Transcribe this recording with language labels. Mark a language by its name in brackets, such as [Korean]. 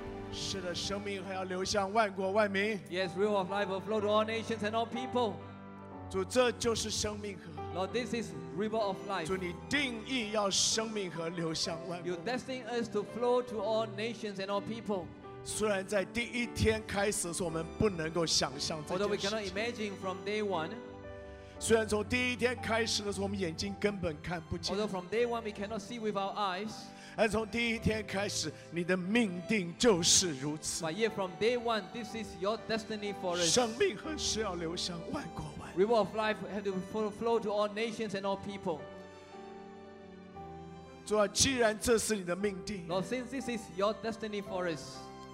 [Chinese] 是的，生命还要流向万国万民。 [English] Yes, river of life will flow to all nations and all people. [Chinese] 主，这就是生命河。 [English] Lord, this is river of life. [Chinese] 主，你定义要生命河流向万国。 [English] You destined us to flow to all nations and all people. [Chinese] 虽然在第一天开始的时候，我们不能够想象这件事情。 [English] Although we cannot imagine from day one. [Chinese] 虽然从第一天开始的时候，我们眼睛根本看不见。 [English] Although from day one we cannot see with our eyes. [Chinese] 但从第一天开始，你的命定就是如此。 [English] But yet from day one, this is your destiny for us. [Chinese] 生命何时要流向万国万民 [English] ？River of life have to flow to all nations and all people. [Chinese] 主啊，既然这是你的命定 [English] ，Lord, since this is your destiny for us.